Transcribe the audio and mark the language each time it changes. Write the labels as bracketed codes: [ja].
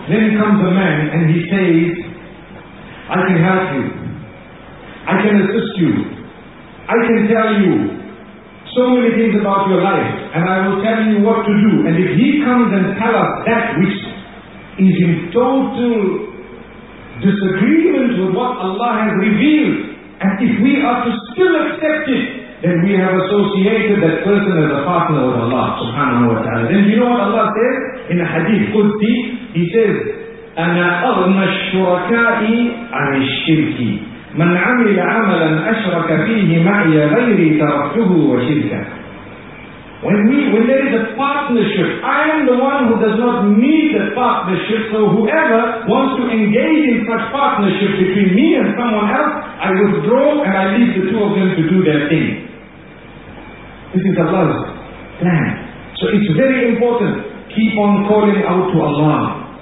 [en] Then comes a man and he says, I can help you, I can assist you, I can tell you so many things about your life, and I will tell you what to do. And if he comes and tells us that which is in total disagreement with what Allah has revealed, and if we are to still accept it, then we have associated that person as a partner with Allah subhanahu wa ta'ala. Then you know what Allah says in a hadith, Qudsi, he says, [ar] أَنَا أَغْنَى الشُّرَكَاءِ عَنِ الشِّرْكِ مَنْ عَمِلَ عَمَلًا أَشْرَكَ فِيهِ مَعْيَ غَيْرِ تَرَفْتُهُ وَشِرْكًا. [en] When there is a partnership, I am the one who does not need the partnership, so whoever wants to engage in such partnership between me and someone else, I withdraw and I leave the two of them to do their thing. This is Allah's plan. So it's very important, keep on calling out to Allah.